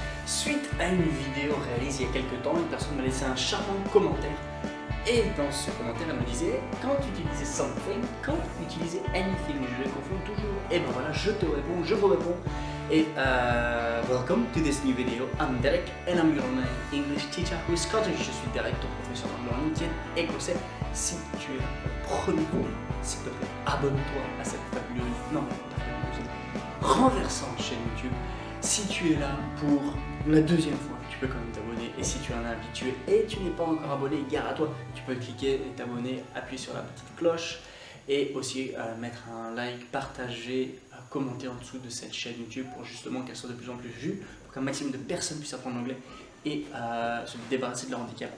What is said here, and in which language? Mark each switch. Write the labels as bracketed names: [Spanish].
[French] Suite à une vidéo réalisée il y a quelques temps, une personne m'a laissé un charmant commentaire. Et dans ce commentaire, elle me disait « Quand utiliser something, quand utiliser anything ?» Je les confonds toujours. Et ben voilà, je te réponds, je vous réponds. Et [English] welcome to this new video. I'm Derek and I'm your English teacher who is Scottish. [French] Je suis Derek, ton professeur d'anglais en indien et écossais. Si tu es premier pour moi, s'il te plaît, abonne-toi à cette fabuleuse, non, ta fabuleuse, renversante chaîne YouTube. Si tu es là pour la deuxième fois, tu peux quand même t'abonner. Et si tu en es habitué et tu n'es pas encore abonné, gare à toi. Tu peux cliquer et t'abonner, appuyer sur la petite cloche et aussi mettre un like, partager, commenter en dessous de cette chaîne YouTube pour justement qu'elle soit de plus en plus vue, pour qu'un maximum de personnes puissent apprendre l'anglais et se débarrasser de leur handicap.